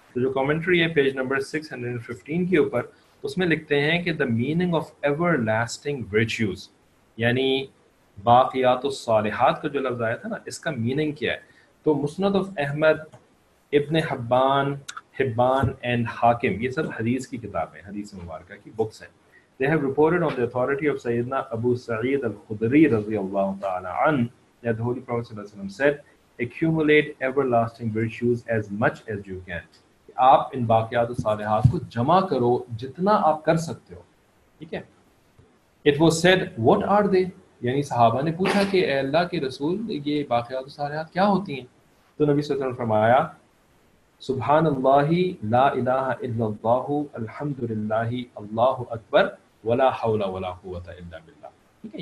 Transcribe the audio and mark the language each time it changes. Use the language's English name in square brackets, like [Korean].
[Urdu] تو جو کامنٹری ہے پیج نمبر 615 کے اوپر, اس میں لکھتے ہیں کہ [English] the meaning of everlasting virtues, [Urdu] یعنی باقیات الصالحات کا جو لفظ آیا تھا نا, اس کا میننگ کیا ہے. تو مسند آف احمد, ابن حبان, حبان اینڈ حاکم, یہ سب حدیث کی کتابیں, حدیث مبارکہ کی بکس ہیں. [English] They have reported on the authority of Sayyidina Abu Sa'id al-Khudri radiyallahu ta'ala an that the Holy Prophet sallallahu alaihi wasallam said, accumulate everlasting virtues as much as you can. [Urdu] آپ ان باقیات صالحات کو جمع کرو جتنا آپ کر سکتے ہو, ٹھیک ہے. [English] It was said, what are they? [Urdu] یعنی صحابہ نے پوچھا کہ اے اللہ کے رسول یہ باقیات صالحات کیا ہوتی ہیں؟ تو نبی صلی اللہ علیہ وسلم فرمایا, [Arabic] سبحان اللہ لا الہ الا اللہ الحمد للہ اللہ اکبر ولا حول ولا قوۃ الا باللہ, [Urdu] ٹھیک ہے.